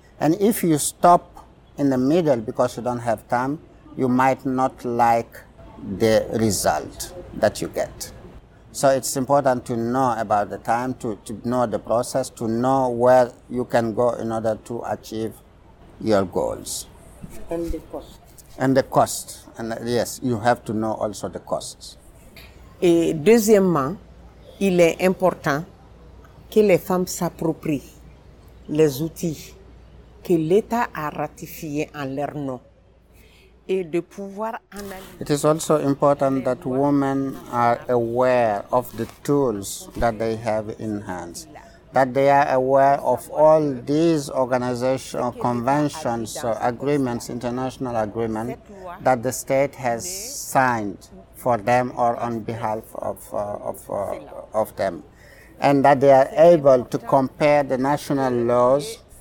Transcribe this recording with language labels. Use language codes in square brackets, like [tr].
[en] And if you stop in the middle because you don't have time, you might not like the result that you get. So it's important to know about the time, to know the process, to know where you can go in order to achieve your goals. And the cost. And the cost. And yes, you have to know also the costs. [fr] Et deuxièmement, il est important que les femmes s'approprient les outils que l'État a ratifiés en leur nom. [en] It is also important that women are aware of the tools that they have in hand, that they are aware of all these organizations, conventions, agreements, international agreements that the state has signed for them or on behalf of them, and that they are able to compare the national laws